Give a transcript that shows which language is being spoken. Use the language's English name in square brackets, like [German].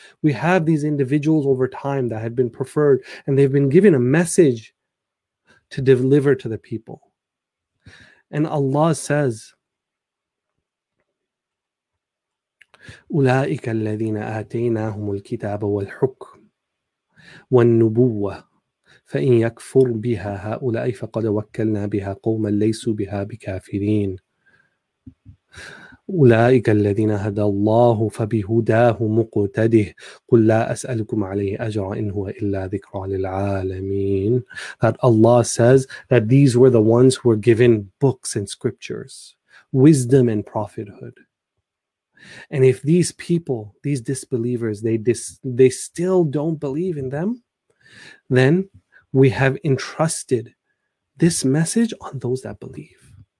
[English] We have these individuals over time that have been preferred and they've been given a message to deliver to the people. And Allah says, [Arabic] أولئك الذين آتيناهم الكتاب والحكم والنبوة فإن يكفر بها هؤلاء فقد وكلنا بها قوما ليسوا بها بكافرين أولئك الذين هدى الله فبهداه مقتده قل لا أسألكم عليه أجرا إن هو إلا ذكرى للعالمين. [English] That Allah says that these were the ones who were given books and scriptures, wisdom and prophethood. And if these people, these disbelievers, they still don't believe in them, then we have entrusted this message on those that believe.